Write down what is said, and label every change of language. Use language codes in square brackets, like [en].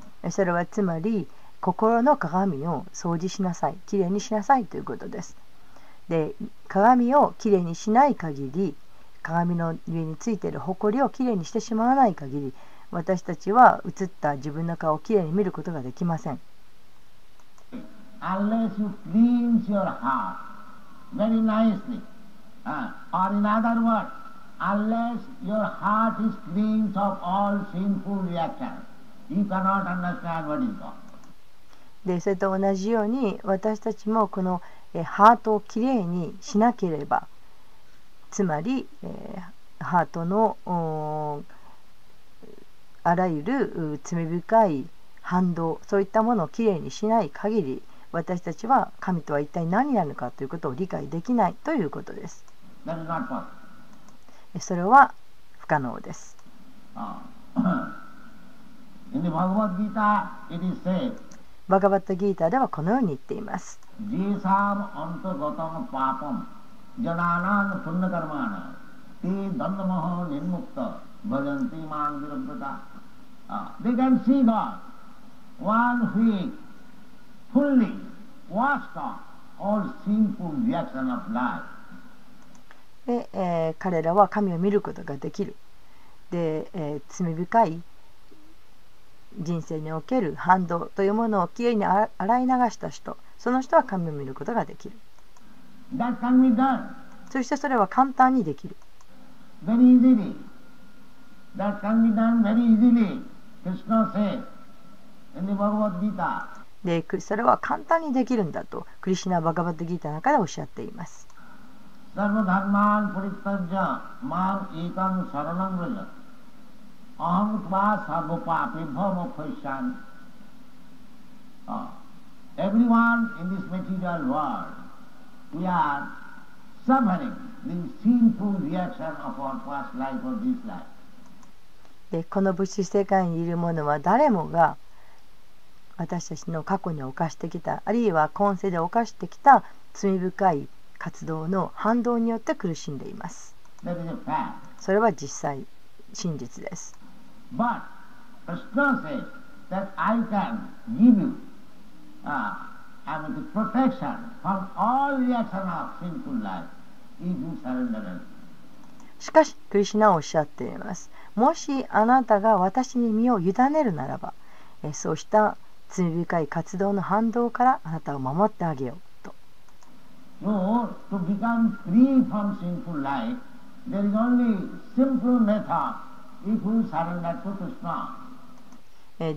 [ja] それはつまり心の鏡を掃除しなさい、きれいにしなさいということです。で、鏡をきれいにしない限り、鏡の上についているほこりをきれいにしてしまわない限り、私たちは映った自分の顔をきれいに見ることができません。 [en] Unless you cleanse your heart very nicely, or in other words, unless your heart is cleansed of all sinful reactions, you cannot understand what is God. [ja] で、それと同じように私たちもこのハートをきれいにしなければ、つまり、ハートのあらゆる罪深い反動、そういったものをきれいにしない限り、私たちは神とは一体何なのかということを理解できないということです。それは不可能です。 [en] In the Bhagavad Gita, it is said, [ja] バガバッドギーターではこのように言っています。 [sa] ジーサーム・アント・ゴトム・パーポンジャナーナプンナカルマーナティダンダマハニンムクタバジャンティマンジュラブタ。 [en] They can see God, one who is fully washed off all sinful reaction of life. [ja] で、彼らは神を見ることができる。で、罪深い人生における反動というものをきれいに洗い流した人、その人は神を見ることができる。 [en] That can be done. [ja] そしてそれは簡単にできる。 [en] Very easily. That can be done very easily. Krishna says in the Bhagavad Gita. [ja] で、それは簡単にできるんだとクリシナ・バガバッド・ギータの中でおっしゃっています。 [sa] サルバダーマン・プリッタジャー・マン・イーカン・サラナン・ブラジャー・アハム・トゥバー・サルバパー・ピッバー・モクシャン。 [en] Everyone in this material world. We are suffering the sinful reaction of our past life or this life. [ja] で、この物質世界にいる者は誰もが私たちの過去に犯してきた、あるいは今世で犯してきた罪深い活動の反動によって苦しんでいます。 [en] That is a fact. [ja] それは実際、真実です。 [en] But assurances that I can give you and the protection from all reaction of sinful life if you surrender me. [ja] しかしクリシナはおっしゃっています。もしあなたが私に身を委ねるならば、そうした罪深い活動の反動からあなたを守ってあげようと。 [en] So, to become free from sinful life, there is only simple method if you surrender to Krishna.